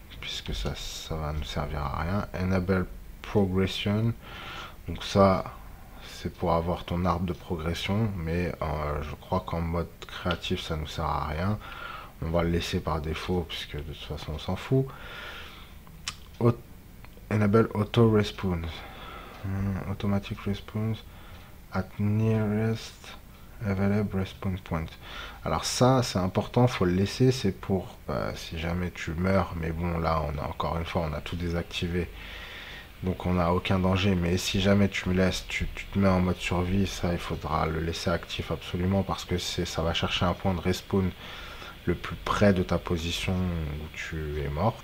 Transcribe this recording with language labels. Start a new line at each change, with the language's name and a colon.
French: Puisque ça va nous servir à rien.
English: Enable progression.
French: Donc ça, c'est pour avoir ton arbre de progression. Mais je crois qu'en mode créatif, ça nous sert à rien. On va le laisser par défaut, puisque de toute façon, on s'en fout.
English: Enable auto-respawn. Automatic response at nearest available respawn point.
French: Alors ça c'est important, faut le laisser, c'est pour si jamais tu meurs, mais bon là on a encore une fois on a tout désactivé donc on n'a aucun danger, mais si jamais tu me laisses, tu te mets en mode survie, ça il faudra le laisser actif absolument, parce que ça va chercher un point de respawn le plus près de ta position où tu es mort.